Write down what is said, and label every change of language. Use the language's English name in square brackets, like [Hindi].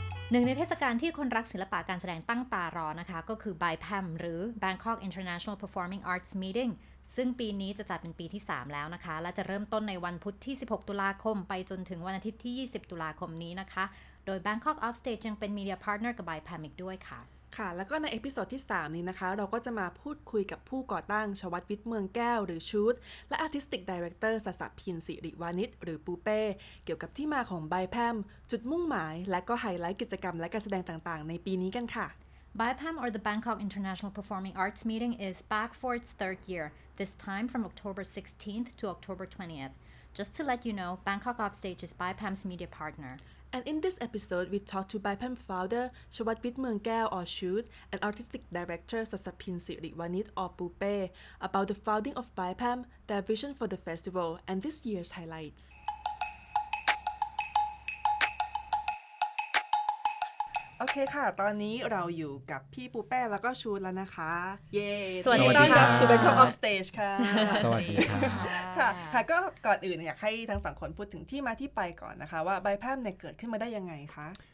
[Thai] หนึ่งในเทศกาลที่คนรักศิลปะการแสดงตั้งตารอนะคะก็คือ BIPAM หรือ Bangkok International Performing Arts Meeting ซึ่งปีนี้จะจัดเป็นปีที่3แล้วนะคะและจะเริ่มต้นในวันพุธที่16ตุลาคมไปจนถึงวันอาทิตย์ที่20ตุลาคมนี้นะคะโดย Bangkok Offstage ยังเป็น Media Partner กับ BIPAM อีกด้วยค่ะ ค่ะแล้วก็ในเอพิโซดที่3นี้นะคะเราก็จะมาพูดคุยกับผู้ก่อตั้งชวัฒน์วิทย์เมืองแก้วหรือชูตและ Artistic Director สสพินสิริวานิชหรือปูเป้เกี่ยวกับที่มาของ BIPAM จุดมุ่งหมายและก็ไฮไลท์กิจกรรมและการแสดงต่างๆในปีนี้กันค่ะ [English] BIPAM or the Bangkok International Performing Arts Meeting is back for its third year this time from October 16th to October 20th just to let you know Bangkok Offstage is BIPAM's media partner And in this episode, we talk to BIPAM founder Chawatwit Meungkeow or Chut and Artistic Director Sasapin Siriwanit or Pupe about the founding of BIPAM, their vision for the festival, and this year's highlights. [Thai] โอเคค่ะตอนนี้เราอยู่กับพี่ปูเป้แล้วก็ชูแล้วนะคะเย้ สวัสดีค่ะ ต้อนรับสู่ Bangkok Offstage ค่ะ สวัสดีค่ ะ ค่ะค่ะก็ก่อนอื่นอยากให้ทั้งสองคนพูดถึงที่มาที่ไปก่อนนะคะว่าBIPAMเนี่ยเกิดขึ้นมาได้ยังไงคะ